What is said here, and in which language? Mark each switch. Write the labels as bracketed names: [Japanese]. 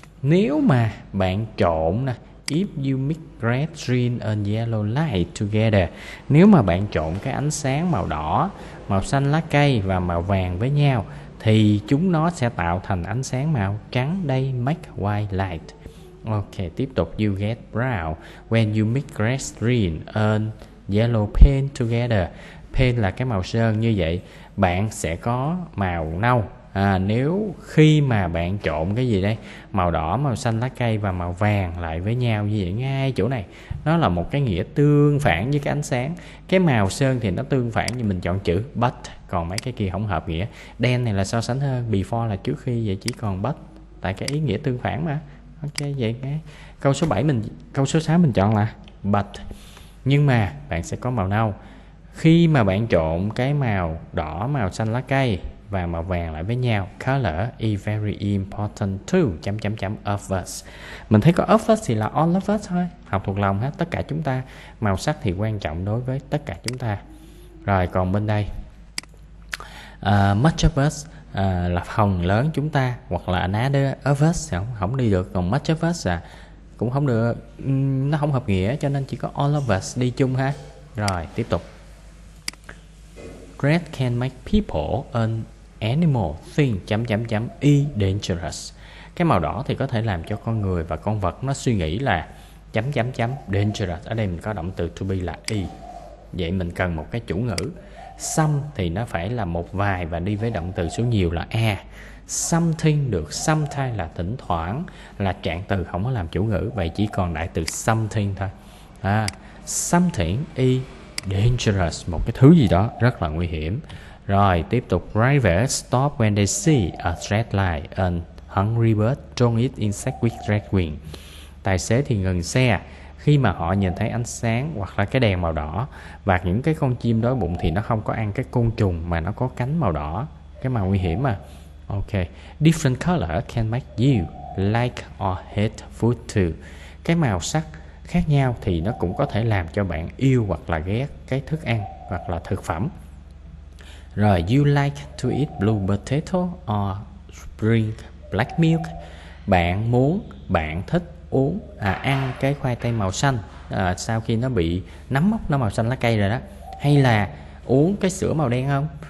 [Vietnamese] Nếu mà bạn trộn nè, [English] if you mix red, green and yellow light together. [Vietnamese] Nếu mà bạn trộn cái ánh sáng màu đỏ, màu xanh lá cây và màu vàng với nhau thì chúng nó sẽ tạo thành ánh sáng màu trắng. [English] They make white light. Ok, [Vietnamese] tiếp tục. [English] You get brown when you mix red, green and yellow paint together. [Vietnamese] Paint là cái màu sơn, như vậy bạn sẽ có màu nâu. Nếu khi mà bạn trộn cái gì đây, màu đỏ, màu xanh lá cây và màu vàng lại với nhau như vậy, ngay chỗ này nó là một cái nghĩa tương phản với cái ánh sáng. Cái màu sơn thì nó tương phản, như mình chọn chữ but, còn mấy cái kia không hợp nghĩa. Đen này là so sánh hơn, before là trước khi, vậy chỉ còn but tại cái ý nghĩa tương phản mà. Ok, vậy ngay. Câu số 7 mình, câu số 6 mình chọn là but, nhưng mà bạn sẽ có màu nâu. Khi mà bạn trộn cái màu đỏ, màu xanh lá cây và màu vàng lại với nhau. [English] Color is very important too, of us. [Vietnamese] Mình thấy có of us thì là [English] all of us [Vietnamese] thôi. Học thuộc lòng hết, tất cả chúng ta. Màu sắc thì quan trọng đối với tất cả chúng ta. Rồi còn bên đây. [English] Much of us [Vietnamese] là phần lớn chúng ta. Hoặc là [English] another of us [Vietnamese] không đi được. Còn [English] much of us [Vietnamese] cũng không được. Nó không hợp nghĩa cho nên chỉ có [English] all of us [Vietnamese] đi chung ha. Rồi tiếp tục. [English] Red can make people and animals think dangerous. [Vietnamese] Cái màu đỏ thì có thể làm cho con người và con vật nó suy nghĩ là dangerous. Ở đây mình có động từ to be là e. Vậy mình cần một cái chủ ngữ. Some thì nó phải là một vài và đi với động từ số nhiều là a. Something được sometimes là thỉnh thoảng, là trạng từ không có làm chủ ngữ. Vậy chỉ còn đại từ something thôi. Something e dangerous, một cái thứ gì đó rất là nguy hiểm. Rồi, tiếp tục. [English] Drivers stop when they see a red light and hungry bird don't eat insect with red wing. [Vietnamese] Tài xế thì ngừng xe khi mà họ nhìn thấy ánh sáng hoặc là cái đèn màu đỏ, và những cái con chim đói bụng thì nó không có ăn cái côn trùng mà nó có cánh màu đỏ, cái màu nguy hiểm mà. Ok. [English] Different color can make you like or hate food too. [Vietnamese] Cái màu sắc khác nhau thì nó cũng có thể làm cho bạn yêu hoặc là ghét cái thức ăn hoặc là thực phẩm. [English] Rồi, you like to eat blue potato or drink black milk. [Vietnamese] Bạn muốn, bạn thích uống ăn cái khoai tây màu xanh sau khi nó bị nấm mốc, nó màu xanh lá cây rồi đó, hay là uống cái sữa màu đen không?